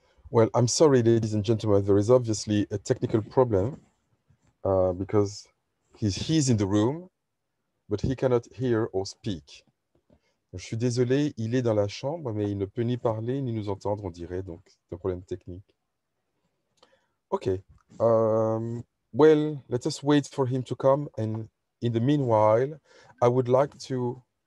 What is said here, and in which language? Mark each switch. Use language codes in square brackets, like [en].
[en] Well, I'm sorry, ladies and gentlemen, there is obviously a technical problem because he's in the room, but he cannot hear or speak. [fr] Je suis désolé, il est dans la chambre, mais il ne peut ni parler ni nous entendre, on dirait, donc c'est un problème technique. [en] Okay, well, let us wait for him to come, and in the meanwhile, I would like to...